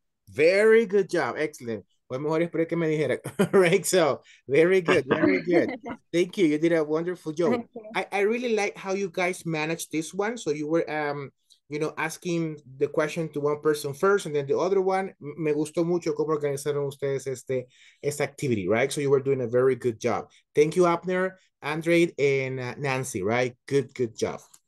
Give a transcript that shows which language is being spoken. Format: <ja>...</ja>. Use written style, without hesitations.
<en>Very good job. Excellent.</en> <es>Fue mejor esperé que me dijera.</es> <en>Right, so very good, very good. Thank you. You did a wonderful job. I really like how you guys managed this one. So you were asking the question to one person first and then the other one.</en> <es>Me gustó mucho cómo organizaron ustedes esta activity,</es> <en>right? So you were doing a very good job. Thank you, Abner, André, and Nancy, right? Good job.</en>